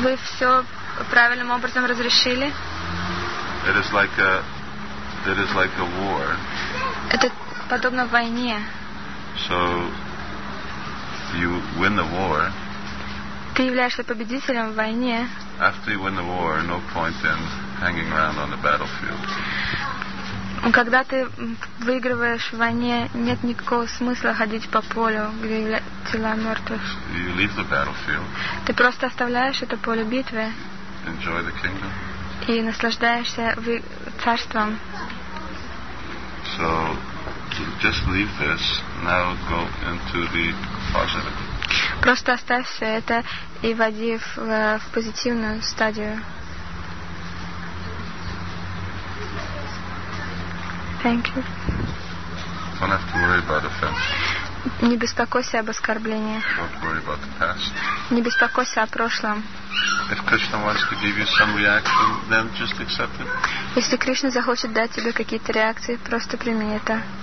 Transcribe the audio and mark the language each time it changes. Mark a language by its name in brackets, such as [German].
[Russian] Вы все правильным образом разрешили. [English] It is like a war. [Russian] Это подобно войне. [English] So you win the war, [Russian] ты являешься победителем в войне. [English] After you win the war, no point in hanging around on the battlefield. [Russian] Когда ты выигрываешь в войне, нет никакого смысла ходить по полю, где тела мертвых. [English] You leave the battlefield. [Russian] Ты просто оставляешь это поле битвы. [English] Enjoy the kingdom. [Russian] И наслаждаешься царством. [English] So, just leave this. Now go into the positive. [Russian] Просто оставь все это и войди в позитивную стадию. [English] Thank you. Don't have to worry about offense. [Russian] Не беспокойся об оскорблении. [English] Don't worry about the past. [Russian] Не беспокойся о прошлом. [English] If Krishna wants to give you some reaction, then just accept it. [Russian] Если Кришна захочет дать тебе какие-то реакции, просто прими это.